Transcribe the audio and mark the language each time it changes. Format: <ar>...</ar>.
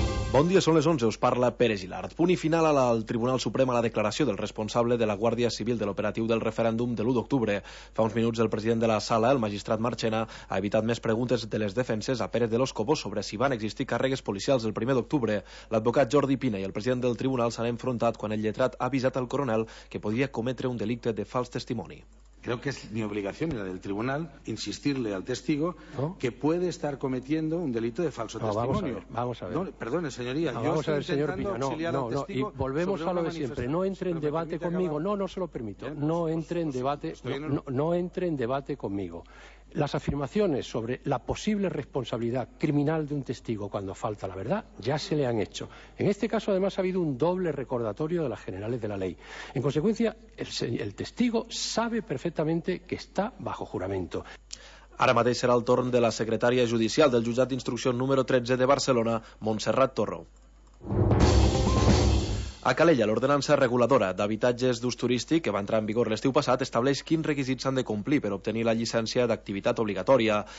<ca>Bon dia, són les 11, us parla Pere Gilard. Punt i final al Tribunal Suprem a la declaració del responsable de la Guàrdia Civil de l'operatiu del referèndum de l'1 d'octubre. Fa uns minuts el president de la sala, el magistrat Marchena, ha evitat més preguntes de les defenses a Pérez de los Cobos sobre si van existir càrregues policials el 1 d'octubre. L'advocat Jordi Pina i el president del tribunal s'han enfrontat quan el lletrat ha avisat al coronel que podria cometre un delicte de fals testimoni.</ca> <es>Creo que es mi obligación y la del tribunal insistirle al testigo que puede estar cometiendo un delito de falso testimonio. Vamos a ver, vamos a ver. No, perdone, señoría, no, yo vamos estoy a ver, señor Pina, no, y volvemos a lo de siempre, no entre en debate conmigo, acabar. No se lo permito, bien, no entre en debate, no entre en debate conmigo. Las afirmaciones sobre la posible responsabilidad criminal de un testigo cuando falta la verdad ya se le han hecho. En este caso, además, ha habido un doble recordatorio de las generales de la ley. En consecuencia, el testigo sabe perfectamente que está bajo juramento.</es> <ca>Ara mateix serà el torn de la secretària judicial del jutjat d'instrucció número 13 de Barcelona, Montserrat Torro. A Calella, l'ordenança reguladora d'habitatges d'ús turístic que va entrar en vigor l'estiu passat estableix quins requisits s'han de complir per obtenir la llicència d'activitat obligatòria.</ca>